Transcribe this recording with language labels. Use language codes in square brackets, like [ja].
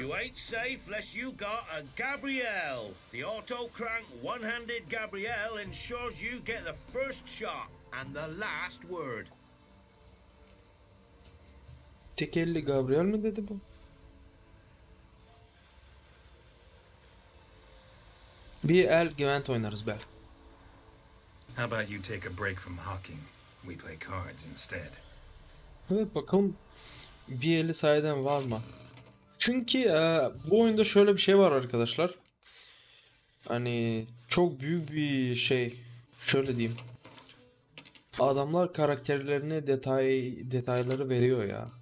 [en] You ain't safe unless you got a Gabriel. The auto crank one-handed Gabriel ensures you get the first shot and the last word. [tr] Tek elli Gabriel mi dedi bu? Bir el güvent oynarız bel. [en] How about you take a break from hawking? We play cards instead. [tr] Evet, bakalım bir eli sahiden var mı? Çünkü bu oyunda şöyle bir şey var arkadaşlar. Hani çok büyük bir şey. Şöyle diyeyim. Adamlar karakterlerine detayları veriyor ya.